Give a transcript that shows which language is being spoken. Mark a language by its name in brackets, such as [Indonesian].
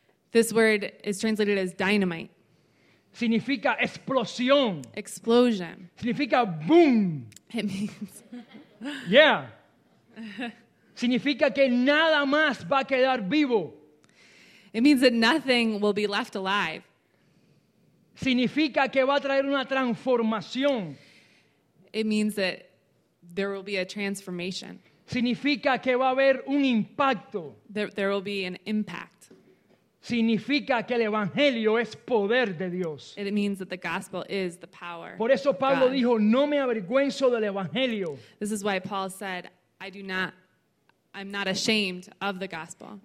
[English] This word is translated as dynamite. [Spanish] Significa explosión. [English] Explosion. [Spanish] Significa boom. [English] It means. Yeah. [Spanish] Significa que nada más va a quedar vivo. [English] It means that nothing will be left alive. [Spanish] Significa que va a traer una transformación. [English] It means that there will be a transformation. [Spanish] Significa que va a haber un impacto. [English] There will be an impact. [Spanish] Significa que el evangelio es poder de Dios. [English] It means that the gospel is the power. [Spanish] Por eso Pablo dijo, no me avergüenzo del evangelio. [English] This is why Paul said, I'm not ashamed of the gospel.